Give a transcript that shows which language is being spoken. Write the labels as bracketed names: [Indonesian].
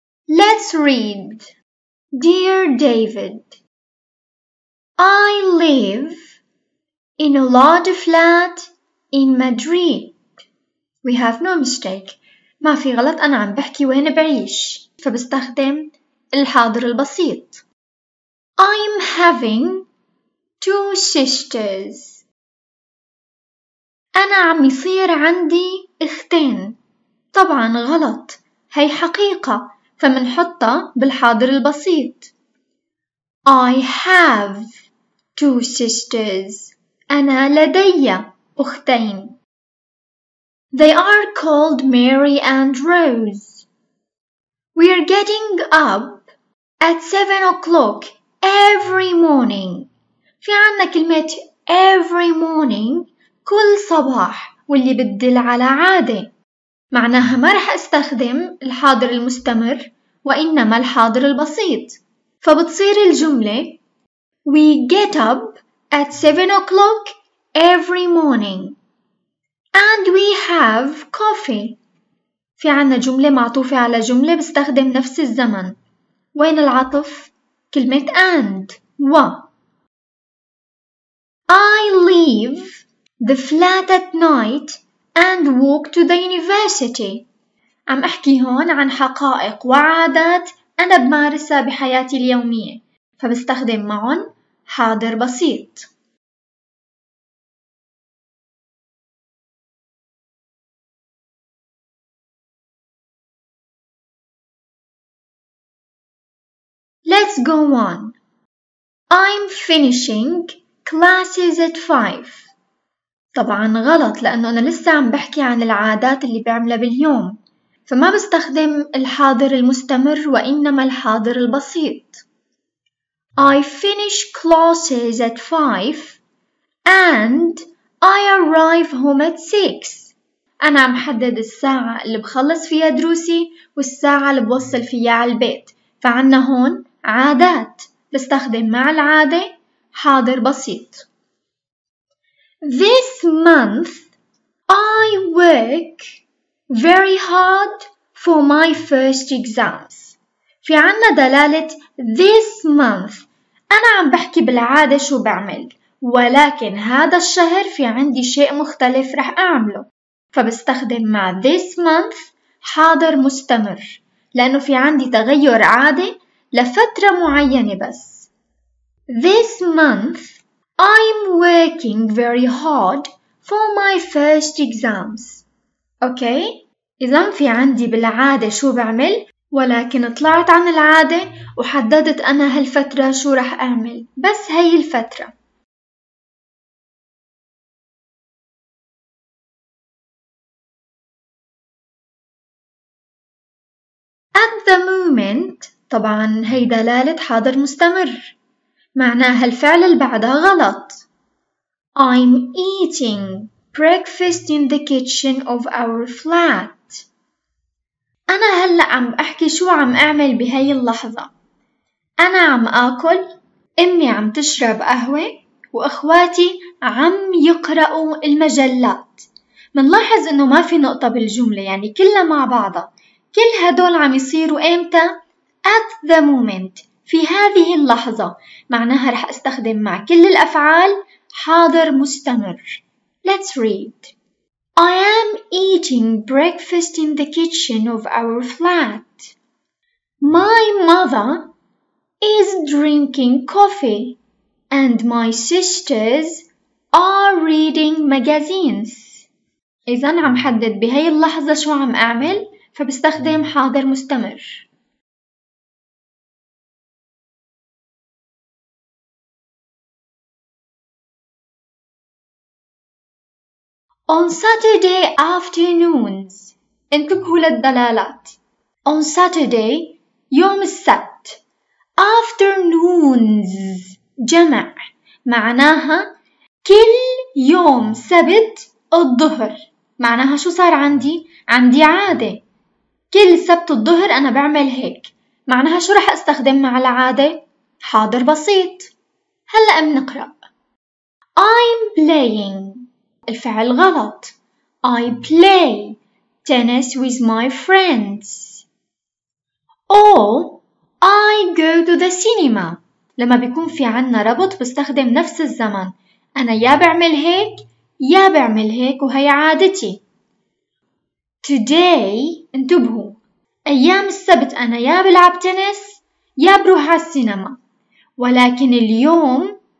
[English] Let's read. Dear David, I live in a large flat in Madrid. We have no mistake. [Arabic] ما في غلط أنا عم بحكي وين بعيش. فبستخدم الحاضر البسيط. [English] I'm having two sisters. [Arabic] أنا عم يصير عندي أختين. طبعا غلط. هي حقيقة. فمنحطها بالحاضر البسيط. [English] I have two sisters. [Arabic] أنا لدي أختين. [English] They are called Mary and Rose. We are getting up at 7 o'clock every morning. [Arabic] في عنا كلمة [English] every morning [Arabic] كل صباح واللي بتدل على عادة. معناها ما رح استخدم الحاضر المستمر وإنما الحاضر البسيط. فبتصير الجملة [English] We get up at 7 o'clock every morning and we have coffee. [Arabic] في عنا جملة معطوفة على جملة بستخدم نفس الزمن. وين العطف؟ كلمة and و. [English] I leave the flat at night and walk to the university. [Arabic] عم أحكي هون عن حقائق وعادات أنا بمارسها بحياتي اليومية، فبستخدم معهم حاضر بسيط. [English] Let's go on. I'm finishing classes at 5. [Arabic] طبعا غلط لأنه أنا لسه عم بحكي عن العادات اللي بعملها باليوم، فما بستخدم الحاضر المستمر وإنما الحاضر البسيط. [English] I finish classes at 5 and I arrive home at 6. [Arabic] أنا عم حدد الساعة اللي بخلص فيها دروسي والساعة اللي بوصل فيها على البيت، فعنا هون عادات بستخدم مع العادة حاضر بسيط. [English] This month I work very hard for my first exams. [Arabic] في عنا دلالة [English] this month. [Arabic] أنا عم بحكي بالعادة شو بعمل، ولكن هذا الشهر في عندي شيء مختلف رح أعمله، فبستخدم مع this month حاضر مستمر لأنه في عندي تغير عادة لفترة معينة بس. [English] This month I'm working very hard for my first exams. Okay? [Arabic] إذا في عندي بالعادة شو بعمل، ولكن طلعت عن العادة وحددت أنا هالفترة شو رح أعمل، بس هاي الفترة. [English] At the moment [Arabic] طبعا هي دلالة حاضر مستمر، معناها الفعل اللي بعدها غلط. [English] I'm eating breakfast in the kitchen of our flat. [Arabic] أنا هلأ عم أحكي شو عم أعمل بهاي اللحظة. أنا عم أكل، أمي عم تشرب قهوة، وأخواتي عم يقرأوا المجلات. ما بنلاحظ إنه ما في نقطة بالجملة، يعني كلها مع بعضها. كل هدول عم يصيروا إمتى؟ [English] At the moment، [Arabic] في هذه اللحظة. معناها رح أستخدم مع كل الأفعال حاضر مستمر. [English] Let's read. I am eating breakfast in the kitchen of our flat. My mother is drinking coffee and my sisters are reading magazines. [Arabic] إذا عم حدد بهي اللحظة شو عم أعمل، فبستخدم حاضر مستمر. [English] On Saturday afternoons. [Arabic] انتو كل الدلالات. [English] On Saturday [Arabic] يوم السبت. Afternoons جمع، معناها كل يوم سبت الظهر. معناها شو صار عندي؟ عندي عادة، كل سبت الظهر أنا بعمل هيك. معناها شو رح أستخدم مع العادة؟ حاضر بسيط. هلأ بنقرأ. [English] I'm playing. [Arabic] الفعل غلط. [English] I play tennis with my friends. Or I go to the cinema. [Arabic] لما بيكون في عنا ربط بستخدم نفس الزمن. أنا يا بعمل هيك يا بعمل هيك، وهي عادتي. [English] Today [Arabic] انتبهوا، أيام السبت أنا يا بلعب تنس يا بروح على السينما، ولكن اليوم